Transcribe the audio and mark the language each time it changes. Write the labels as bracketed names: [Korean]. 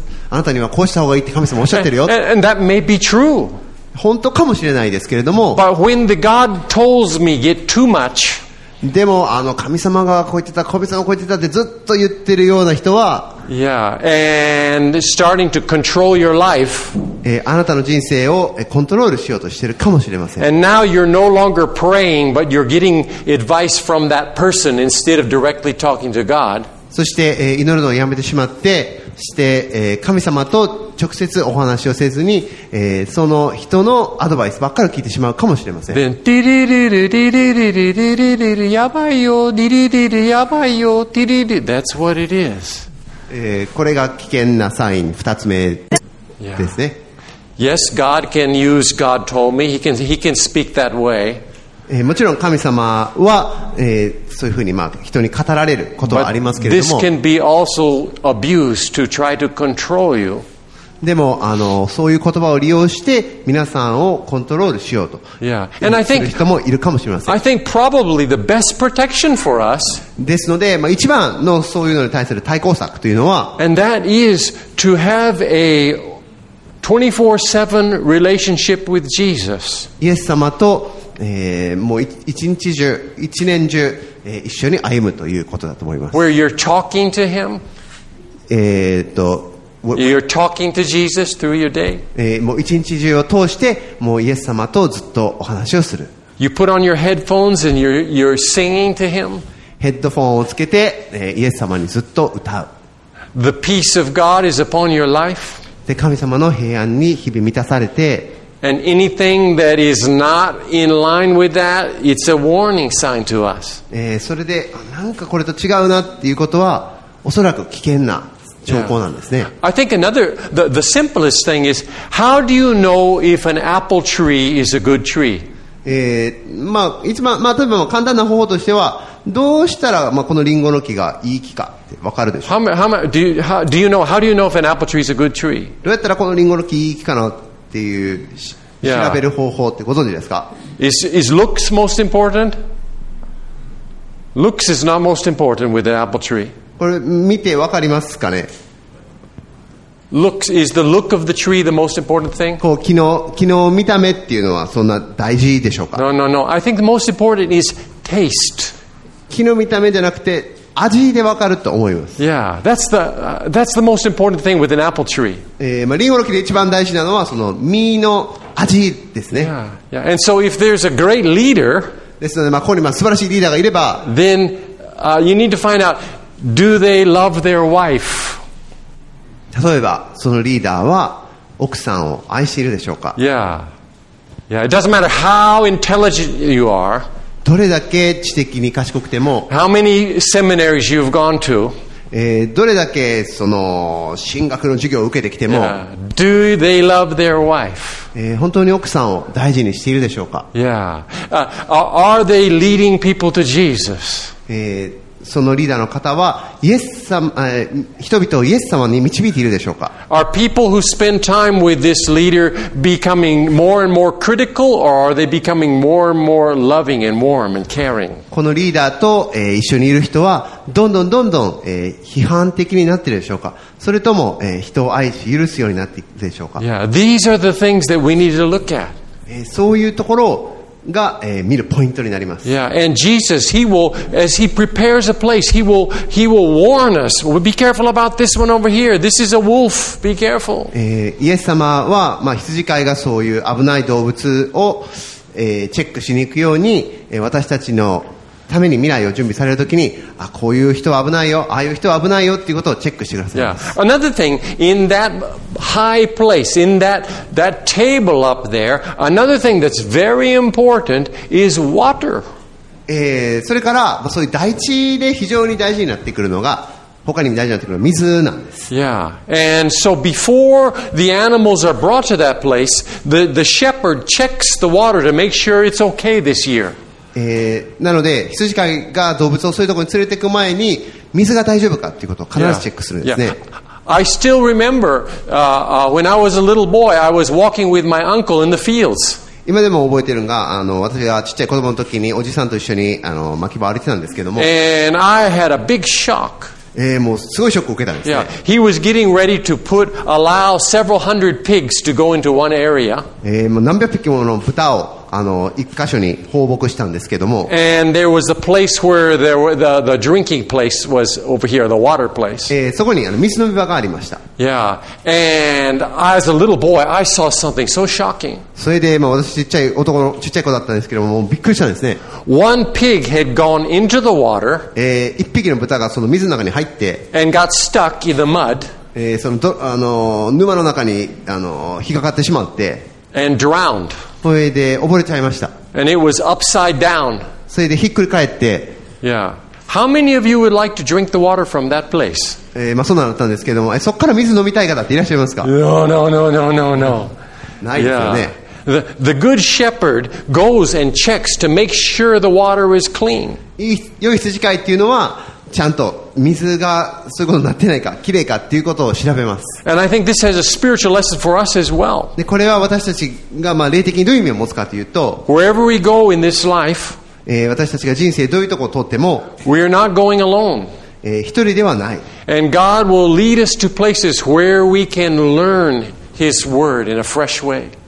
[Japanese] あなたにはこうした方がいいって神様おっしゃってるよ。 [English] And that may be true. [Japanese] 本当かもしれないですけれども。 [English] But when the God told me get too much, [Japanese] でもあの神様がこう言ってた、神様がこう言ってたってずっと言ってるような人は、 [English] yeah, and starting to control your life. [Japanese] あなたの人生をコントロールしようとしているかもしれません。 [English] And now you're no longer praying, but you're getting advice from that person instead of directly talking to God. [Japanese] そして、祈るのをやめてしまって、して、神様と直接お話をせずに、その人のアドバイスばっかり聞いてしまうかもしれません。 Then, ディリリリリリリリリリリリやばいよ、ディリリリやばいよ、ディリリリ [English] That's what it is. [Japanese] これが危険なサイン二つ目ですね。 [English] Yes, God can use God told me. He can speak that way. [Japanese] もちろん神様は、そういうふうに、まあ、人に語られることはありますけれども。 [English] But this can be also abused to try to control you. [Japanese] でも、あの、そういう言葉を利用して皆さんをコントロールしようと。 [English] Yeah. And I think, [Japanese] する人もいるかもしれません。 [English] I think probably the best protection for us, [Japanese] ですので、まあ、一番のそういうのに対する対抗策というのは、 [English] and that is to have a 24/7 relationship with Jesus. [Japanese] イエス様と、もう一日中、一年中、一緒に歩むということだと思います。 [English] Where you're talking to him. You're talking to Jesus through your day. [Japanese] もう一日中を通して、もうイエス様とずっとお話をする。 [English] You put on your headphones and you're singing to him. [Japanese] ヘッドフォンをつけて、イエス様にずっと歌う。 [English] The peace of God is upon your life. [Japanese] で神様の平安に日々満たされて、 [English] and anything that is not in line with that, it's a warning sign to us. [Japanese] それでなんかこれと違うなっていうことはおそらく危険な兆候なんですね。 [English] Yeah. I think another the simplest thing is how do you know if an apple tree is a good tree? [Japanese] まあ一番まあ例えば簡単な方法としてはどうしたら、まあ、このリンゴの木がいい木か。わかるでしょ。 [English] How do you know if an apple tree is a good tree? [Japanese] どうやったらこのリンゴの木いい木かなっていう調べる方法ってご存知ですか。 [English] Is looks most important? Looks is not most important with an apple tree. [Japanese] これ見てわかりますかね。 [English] Looks is the look of the tree the most important thing? [Japanese] こう木の見た目っていうのはそんな大事でしょうか。 [English] No. I think the most important is taste. [Japanese] 木の見た目じゃなくて味でわかると思います。 [English] Yeah, that's the most important thing with an apple tree. [Japanese] まあ、リンゴの木で一番大事なのはその実の味ですね。 [English] Yeah. And so if there's a great leader, [Japanese] ですので、まあ、ここにまあ素晴らしいリーダーがいれば、 [English] then, you need to find out, do they love their wife? [Japanese] 例えば、そのリーダーは奥さんを愛しているでしょうか。 [English] Yeah. It doesn't matter how intelligent you are. [Japanese] どれだけ知的に賢くても、 [English] How many seminaries you've gone to? [Japanese] どれだけその進学の授業を受けてきても、 [English] Yeah. Do they love their wife? [Japanese] 本当に奥さんを大事にしているでしょうか。 [English] Yeah. Are they leading people to Jesus? [Japanese] そのリーダーの方はイエス様、人々をイエス様に導いているでしょうか。 [English] Are people who spend time with this leader becoming more and more critical, or are they becoming more and more loving and warm and caring? [Japanese] このリーダーと、一緒にいる人はどんどんどんどん、批判的になっているでしょうか。それとも、人を愛し許すようになっているでしょうか。 [English] Yeah, these are the things that we need to look at. [Japanese] そういうところをが、見るポイントになります。 [English] Yeah, and Jesus, he will, as he prepares a place, he will warn us. Be careful about this one over here. This is a wolf. Be careful. [Japanese] イエス様は、まあ、羊飼いがそういう危ない動物を、チェックしに行くように、私たちのために未来を準備されるときに、あ、こういう人は危ないよ、ああいう人は危ないよっていうことをチェックしてください。 [English] Yeah. Another thing, in that high place, in that table up there, another thing that's very important is water. [Japanese] それから、まあ、そういう大地で非常に大事になってくるのが、他にも大事になってくるのが水なんです。 [English] Yeah. And so before the animals are brought to that place, the shepherd checks the water to make sure it's okay this year. [Japanese] なので羊飼いが動物をそういうところに連れていく前に水が大丈夫かということを必ずチェックするんですね。 [English] yeah. Yeah. I still remember when I was a little boy I was walking with my uncle in the fields. [Japanese] 今でも覚えているのが私がちっちゃい子供の時におじさんと一緒に牧場を歩いてたんですけども、 [English] And I had a big shock. [Japanese] もうすごいショックを受けたんですね。 [English] yeah. He was getting ready to allow several hundred pigs to go into one area. [Japanese] もう何百匹もの豚を一箇所に放牧したんですけども、 [English] And there was a place where there were the drinking place was over here, the water place. [Japanese] そこに水飲み場がありました。 [English] Yeah, and as a little boy, I saw something so shocking. [Japanese] それで、まあ、私ちっちゃい子だったんですけども、もうびっくりしたんですね。 [English] One pig had gone into the water. [Japanese] 一匹の豚がその水の中に入って、 [English] And got stuck in the mud. [Japanese] その沼の中に引っかかってしまって、 [English] And drowned. [Japanese] それで溺れちゃいました。 [English] And it was upside down. [Japanese] それでひっくり返って。 [English] Yeah. How many of you would like to drink the water from that place? [Japanese] まあそうなったんですけども、そこから水飲みたい方っていらっしゃいますか？ [English] No. [Japanese] ないですよね。 [English] Yeah. The good shepherd goes and checks to make sure the water is clean. [Japanese] 良い羊飼いっていうのはちゃんと水がそういうことになってないか、きれいかっていうことを調べます。 [English] And I think this has a spiritual lesson for us as well. [Japanese] で、これは私たちがまあ霊的にどういう意味を持つかというと、 [English] Wherever we go in this life, [Japanese] 私たちが人生どういうところを通っても、 [English] We are not going alone. [Japanese] 一人ではない。 [English] And God will lead us to places where we can learn His word in a fresh way.